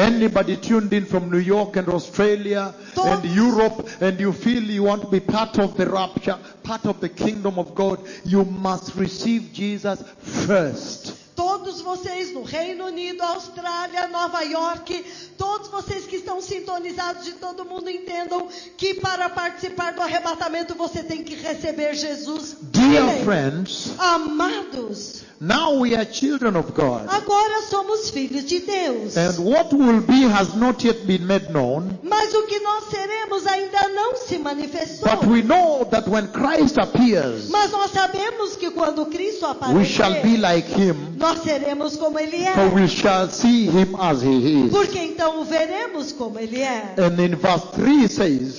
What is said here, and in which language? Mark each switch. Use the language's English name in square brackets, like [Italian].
[English] Anybody tuned in from New York and Australia and Europe and you feel you want to be part of the rapture, part of the kingdom of God, you must receive Jesus first. [Portuguese] Todos vocês no Reino Unido, Austrália, Nova York, todos vocês que estão sintonizados de todo mundo entendam que para participar do arrebatamento você tem que receber Jesus. [English] Dear friends, [Portuguese] amados, [English] now we are children of God. [Portuguese] Agora somos filhos de Deus. [English] And what will be has not yet been made known. [Portuguese] Mas o que nós seremos ainda não se manifestou. [English] But we know that when Christ appears, [Portuguese] mas nós sabemos que quando Cristo aparecer, [English] we shall be like him. [Portuguese] Nós seremos como ele é. [English] For we shall see him as he is. [Portuguese] Porque então o veremos como ele é. [English] And in verse 3 says,